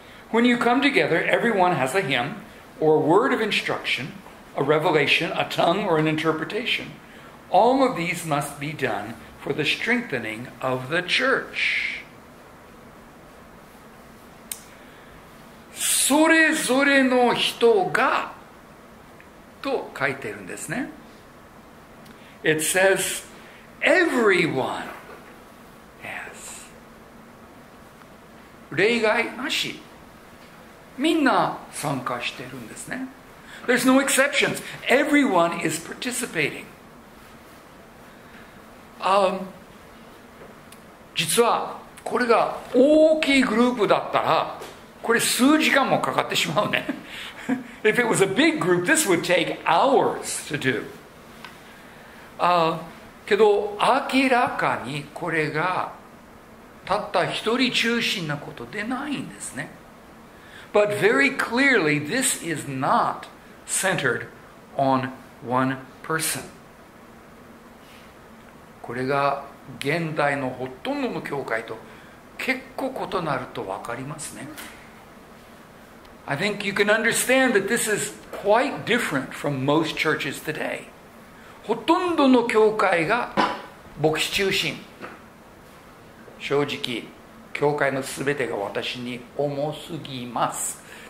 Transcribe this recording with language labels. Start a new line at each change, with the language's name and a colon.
English: When you come together, everyone has a hymn or a word of instruction, a revelation, a tongue, or an interpretation. All of these must be done for the strengthening of the church.
Japanese: それぞれの人がと書いてるんですね。
English: It says everyone.
Japanese: 例外なし。みんな参加してるんですね。
English: There's no exceptions. Everyone is participating.
Japanese: 実はこれが大きいグループだったら、これ数時間もかかってしまうね。
English: If it was a big group, this would take hours to do.
Japanese: けど明らかにこれがたった一人中心なことでないんですね。
English: But very clearly, this is not centered on one person.
Japanese: これが現代のほとんどの教会と結構異なると分かりますね。
English: I think you can understand that this is quite different from most churches today.
Japanese: ほとんどの教会が牧師中心。正直、教会のすべてが私に重すぎます。